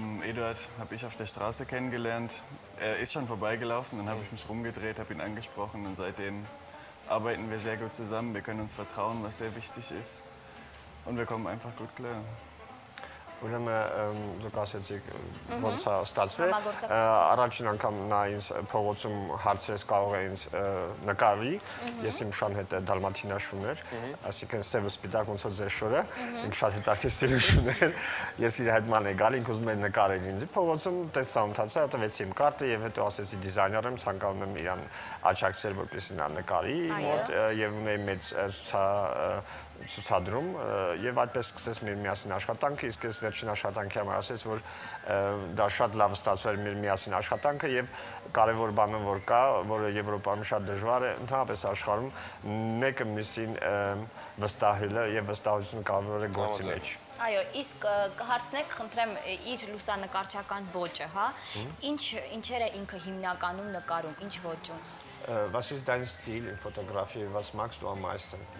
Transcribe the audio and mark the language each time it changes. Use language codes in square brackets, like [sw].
[de] Eduard habe ich auf der Straße kennengelernt. Er ist schon vorbeigelaufen, dann habe ich mich rumgedreht, habe ihn angesprochen und seitdem arbeiten wir sehr gut zusammen. Wir können uns vertrauen, was sehr wichtig ist und wir kommen einfach gut klar. [hy] Ուրեմն դուք ասացիք ոնց է ստացվել։ Առաջին անգամ նա ինձ փողոցում հարցրեց, կարող է ինձ նկարի։ Ես իմ շան հետ դալմատինա շուն էր, այսինքն սև սպիտակ ոնց է ձեր շորը, ինքը շատ հետաքրքիր սիրուն շուն էր։ Ես իր հետ ման եկալ, ինքը ուզում էր նկարել ինձ փողոցում, տեսա ընթացը, տվեցի իմ կարտը եւ հետո ասեցի դիզայներ եմ, ցանկանում եմ իրան աջակցել, որպեսզի նա նկարի մոտ եւ ունեի մեծ ցուցադրում եւ այդպես սկսեց մեր միասին աշխատանքը, իսկ ես վերջին աշխատանքի համար ասեց, որ դա շատ լավ ստացվել մեր միասին աշխատանքը եւ կարեւոր բանը որ կա, որ Եվրոպայում շատ դժվար է ընդհանրապես աշխարհում մեկը մյուսին վստահելը եւ վստահությունը կարևոր է գործի մեջ։ Այո, իսկ կհարցնեք, խնդրեմ իր լուսանկարչական ոճը, հա, ինչեր է ինքը հիմնականում նկարում, ինչ ոճում։ [de] Was ist dein Stil in Fotografie, was magst du am meisten?